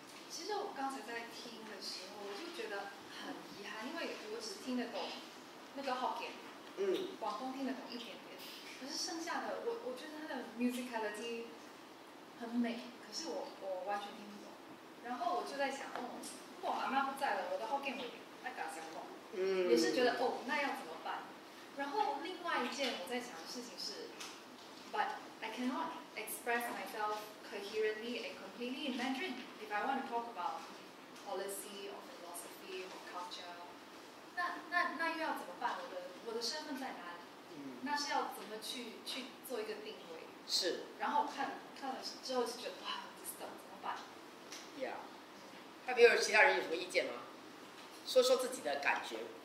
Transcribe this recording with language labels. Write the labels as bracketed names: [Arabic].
[Chinese] 其实我刚才在听的时候，我就觉得很遗憾，因为我只听得懂那个 Hokkien， 广东听得懂一点点，可是剩下的我觉得他的 musicality 很美，可是我完全听不懂。然后我就在想，如果我阿妈不在了，我的 Hokkien 会那搞什么？也是觉得哦，那要怎么办？然后另外一件我在想的事情是 [English] ，But I cannot express myself coherently and completely in Mandarin if I want to talk about policy or philosophy or culture [Chinese] 那又要怎么办？我的身份在哪里？那是要怎么去做一个定位？是。然后看了之后就觉得哇，这是怎么办？Yeah， 还有其他人有什么意见吗？说说自己的感觉。